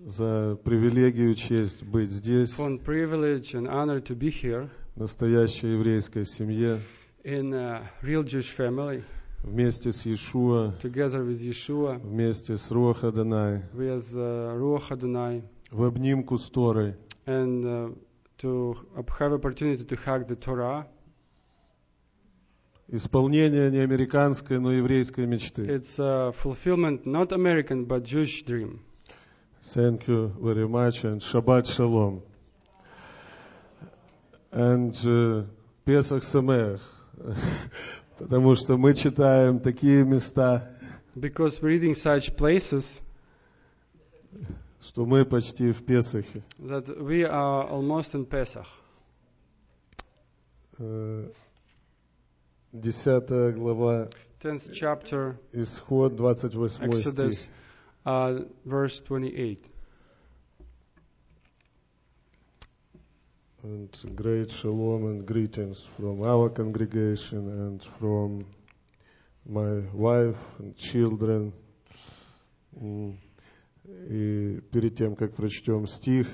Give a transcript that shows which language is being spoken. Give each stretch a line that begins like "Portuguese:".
Russian: За привилегию, честь быть здесь.
English: For privilege and honor to be here.
Russian: В настоящей еврейской семье.
English: In a real Jewish family.
Russian: Вместе с Иешуа,
English: together with Yeshua,
Russian: вместе с Руах Адонай,
English: with Руах Адонай,
Russian: в обнимку с Торой,
English: and to have opportunity to hug the Torah,
Russian: исполнение не американской, но еврейской мечты.
English: It's a fulfillment, not American, but Jewish dream. Thank you very much, and Shabbat Shalom. And Pesach Sameach.
Russian: Потому что мы читаем такие места,
English: because we're reading such places,
Russian: что мы почти в Песахе.
English: That we are almost in Pesach.
Russian: 10 глава,
English: 10th chapter,
Russian: Исход, 28
English: Exodus,
Russian: стих.
English: Verse 28. And great shalom and greetings from our congregation and from my wife and children.
Russian: И перед тем, как прочтем стих,